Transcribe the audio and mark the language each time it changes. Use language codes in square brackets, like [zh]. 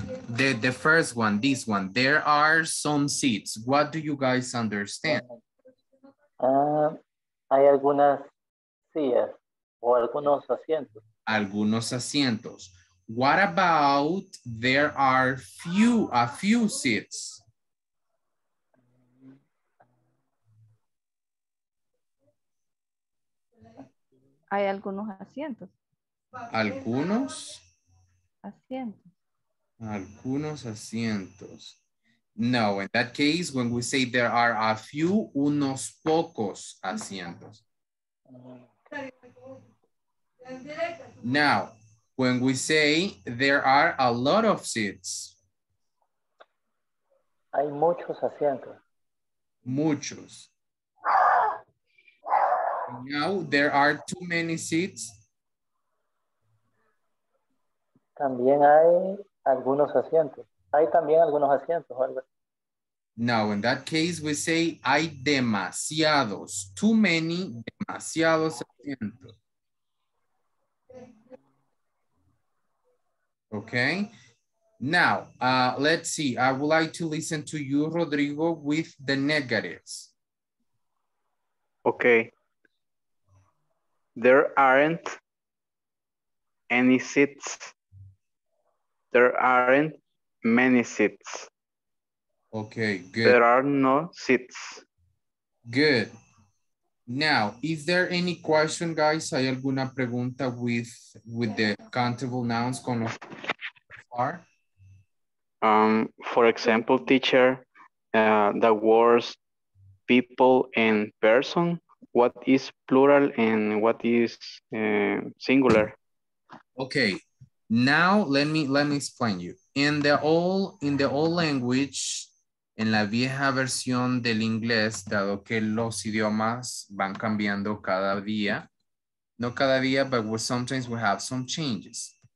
[en] The first one, this one, there are some seats. What do you guys understand? [es] Hay algunas sillas o algunos asientos. Algunos asientos. [en] What about there are a few seats? [es] hay algunos asientos. ¿Algunos? Asientos. Algunos asientos. [en] No, in that case, when we say there are a few, [es] unos pocos asientos. [en] Now, when we say there are a lot of seats. [es] Hay muchos asientos. Muchos. [en] Now, there are too many seats. [es] También hay algunos asientos. Hay también algunos asientos, Albert. [en] Now, in that case, we say [es] hay demasiados, [en] too many, [es] demasiados asientos. [en] Okay. Now, let's see. I would like to listen to you, Rodrigo, with the negatives. Okay. There aren't any seats. There aren't many seats. Okay, good. There are no seats. Good. Now, is there any question, guys? [es] ¿Hay alguna pregunta [en] with the countable nouns [es] con los [en] far? For example, teacher, the words people and person, what is plural and what is singular? Okay. Now let me explain you. In the old language, [es] en la vieja versión del inglés, dado que los idiomas van cambiando cada día, no cada día, [en] but sometimes we have some changes.